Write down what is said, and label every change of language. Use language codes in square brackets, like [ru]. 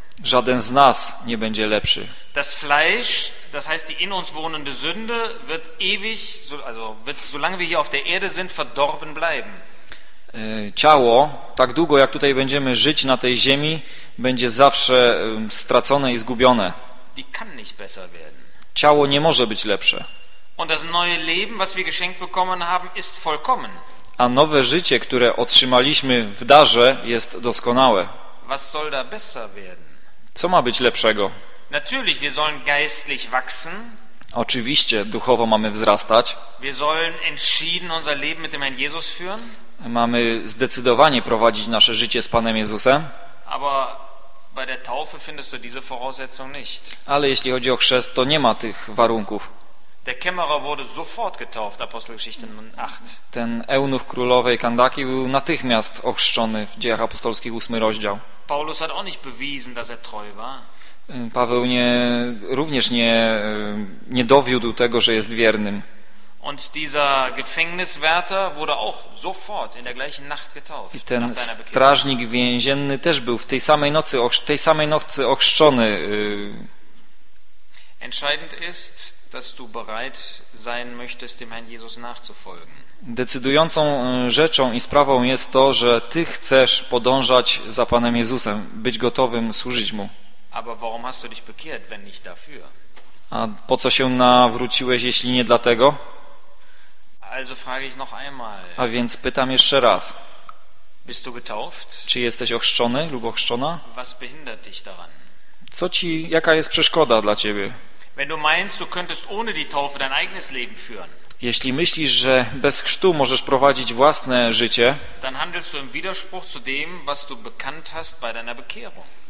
[pl] Żaden z nas nie będzie lepszy. [de] Das Fleisch, das heißt die in uns wohnende Sünde, wird ewig, also wird solange wir hier auf der Erde sind, verdorben bleiben. [pl] Ciało, tak długo jak tutaj będziemy żyć na tej ziemi, będzie zawsze stracone i zgubione. [de] Die kann nicht besser werden. [pl] Ciało nie może być lepsze. [de] Und das neue Leben, was wir geschenkt bekommen haben, ist vollkommen. [pl] A nowe życie, które otrzymaliśmy w darze, jest doskonałe. [de] Was soll da besser werden? [pl] Co ma być lepszego? [de] Natürlich, wir sollen geistlich wachsen. [pl] Oczywiście, duchowo mamy wzrastać. [de] Wir sollen entschieden unser Leben mit dem Herrn Jesus führen. [pl] Mamy zdecydowanie prowadzić nasze życie z Panem Jezusem. [de] Aber bei der Taufe findest du diese Voraussetzung nicht. [pl] Ale jeśli chodzi o chrzest, to nie ma tych warunków. [de] Der Kämmerer wurde sofort getauft, Apostelgeschichte 8. [pl] Ten eunuch królowej Kandaki był natychmiast ochrzczony w Dziejach Apostolskich 8 rozdział. [de] Paulus hat auch nicht bewiesen, dass er treu war. [pl] Paweł również nie dowiódł tego, że jest wiernym. [de] Und dieser Gefängniswärter wurde auch sofort in der gleichen Nacht getauft. [pl] I ten strażnik więzienny też był w tej samej nocy, ochrzczony. [de] Entscheidend ist, dass du bereit sein möchtest, dem Herrn Jesus nachzufolgen. [pl] Decydującą rzeczą i sprawą jest to, że ty chcesz podążać za Panem Jezusem, być gotowym służyć mu. [de] Aber warum hast du dich bekehrt, wenn nicht dafür? [pl] A po co się nawróciłeś, jeśli nie dlatego? [de] Also frage ich noch einmal. [pl] A więc pytam jeszcze raz. [de] Bist du getauft? [pl] Czy jesteś ochrzczony lub ochrzczona? [de] Was behindert dich daran? [pl] Co ci, jaka jest przeszkoda dla ciebie? [de] Wenn du meinst, du könntest ohne die Taufe dein eigenes Leben führen. [pl] Jeśli myślisz, że bez chrztu możesz prowadzić własne życie, [de] dann handelst du im Widerspruch zu dem, was du bekannt hast bei deiner Bekehrung.